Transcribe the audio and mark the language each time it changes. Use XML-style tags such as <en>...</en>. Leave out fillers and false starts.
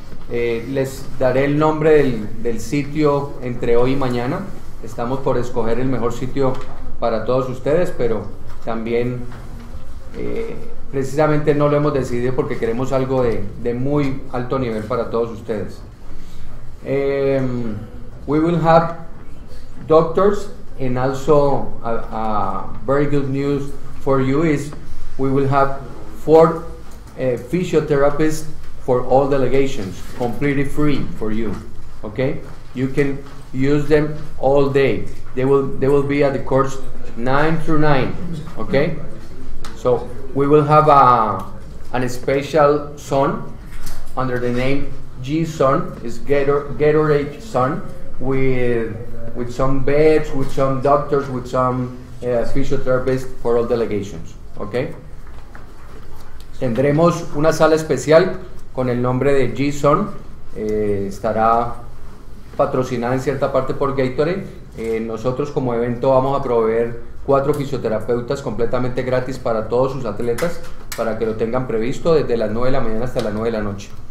<es>Les daré el nombre del sitio entre hoy y mañana. Estamos por escoger el mejor sitio para todos ustedes, pero también precisamente no lo hemos decidido porque queremos algo de muy alto nivel para todos ustedes.</es> <en>We will have doctors, and also a very good news for you is we will have 4 physiotherapists for all delegations, completely free for you. Okay, you can use them all day. They will be at the courts 9 through 9. Okay, so we will have a special son under the name G Son. Is Gatorade Son with some beds, with some doctors, with some physiotherapists for all delegations. Okay.</en> <es>Tendremos una sala especial con el nombre de G-Son, estará patrocinada en cierta parte por Gatorade. Nosotros como evento vamos a proveer 4 fisioterapeutas completamente gratis para todos sus atletas, para que lo tengan previsto desde las 9 de la mañana hasta las 9 de la noche.</es>